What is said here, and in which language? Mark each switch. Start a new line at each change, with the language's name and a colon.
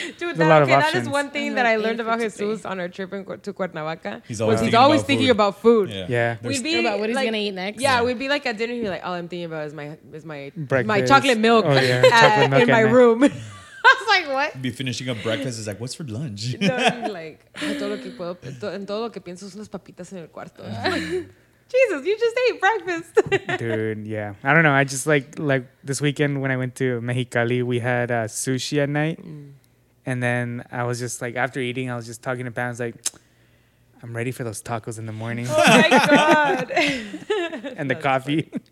English: Dude, that is one thing that I learned about Jesus on our trip to Cuernavaca. He's always thinking about food. Yeah. He's going to eat next. Yeah, we'd be like at dinner and he'd be like, all I'm thinking about is my chocolate milk in my room. was like, what? Be finishing up breakfast. It's like, what's for lunch? No, he's like,
Spanish: todo lo que puedo, en todo lo que pienso son las papitas en el cuarto.
English: Jesus, you just ate breakfast. Dude, yeah. I don't know. I just like this weekend when I went to Mexicali, we had sushi at night. Mm. And then I was just like, after eating, I was just talking to Pam. I was like, I'm ready for those tacos in the morning. Oh, my God. And the coffee.